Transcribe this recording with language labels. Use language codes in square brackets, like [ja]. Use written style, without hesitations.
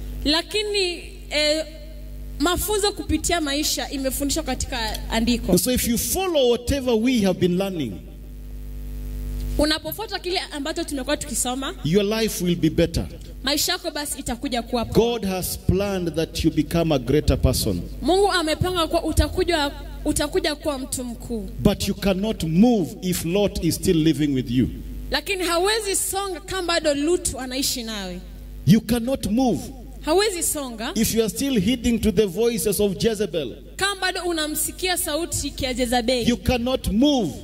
[sw] Lakini mafunzo kupitia maisha imefundishwa katika andiko. [en] So if you follow whatever we have been learning, [sw] unapofuata kile ambacho tumekuwa tukisoma, [en] your life will be better. [sw] Maisha yako basi itakuja kuwa poa. [en] God has planned that you become a greater person. [sw] Mungu amepanga kwa utakuja kuwa mtu mkuu. [en] But you cannot move if Lot is still living with you. [sw] Lakini hawezi songa kama bado Lot anaishi nawe. [en] You cannot move. [sw] Hawezi songa. [en] If you are still heeding to the voices of Jezebel. [sw] Kama bado unamsikia sauti ya Jezebel. [en] You cannot move.